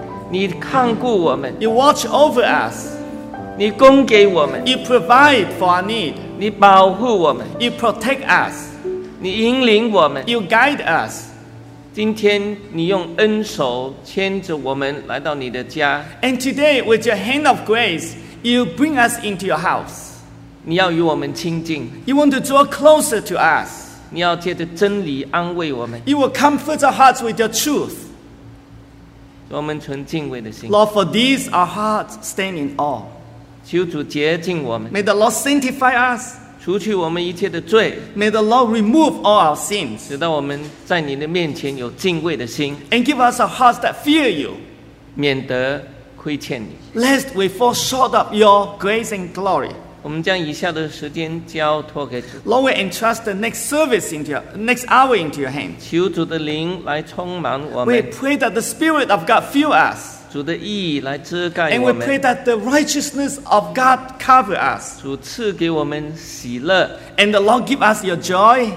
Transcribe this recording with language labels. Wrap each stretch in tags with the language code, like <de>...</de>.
<zh>你看顾我们。</zh> <en>You watch over us。</en> <zh>你供给我们。</zh> <en>You provide for our need。</en> <zh>你保护我们。</zh> <en>You protect us。</en> <zh>你引领我们。</zh> <en>You guide us。</en> <zh>今天你用恩手牵着我们来到你的家。</zh> <en>And today with your hand of grace, you bring us into your house。</en> <zh>你要与我们亲近。</zh> <en>You want to draw closer to us。</en> <zh>你要借着真理安慰我们。</zh> <en>You will comfort our hearts with your truth。</en> <zh>我们存敬畏的心。</zh> <en>Lord, for these our hearts stand in awe。</en> <zh>求主洁净我们。</zh> <en>May the Lord sanctify us。</en> <zh>除去我们一切的罪。</zh> <en>May the Lord remove all our sins。</en> <zh>使得我们在你的面前有敬畏的心。</zh> <en>And give us a heart that fear you。</en> <zh>免得亏欠你。</zh> <en>Lest we fall short of your grace and glory。</en> <zh>我们将以下的时间交托给主。</zh> <en>Lord, we entrust the next service into your next hour into your hand。</en> <zh>求主的灵来充满我们。</zh> <en>We pray that the Spirit of God fill us。</en> <zh>主的义来遮盖我们。</zh> <en>And we pray that the righteousness of God cover us.</en> <zh>主赐给我们喜乐。</zh> <en>And the Lord give us your joy.</en>